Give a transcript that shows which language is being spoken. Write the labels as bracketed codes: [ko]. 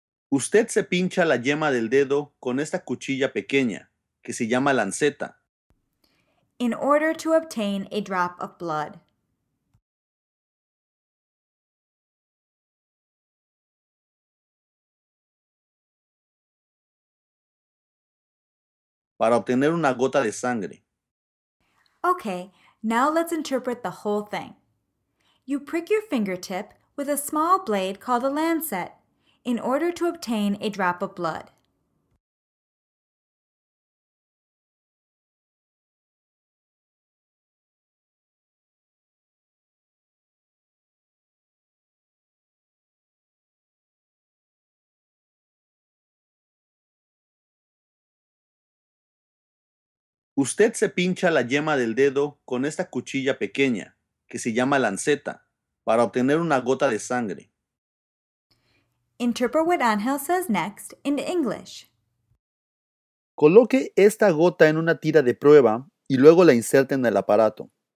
[es] Usted se pincha la yema del dedo con esta cuchilla pequeña, que se llama lanceta. [en] In order to obtain a drop of blood. [es] Para obtener una gota de sangre. [en] Okay, now let's interpret the whole thing. You prick your fingertip with a small blade called a lancet. In order to obtain a drop of blood. [es] Usted se pincha la yema del dedo con esta cuchilla pequeña, que se llama lanceta, para obtener una gota de sangre. [en] Interpret what Angel says next in English. [es] Coloque esta gota en una tira de prueba y luego la inserte en el aparato.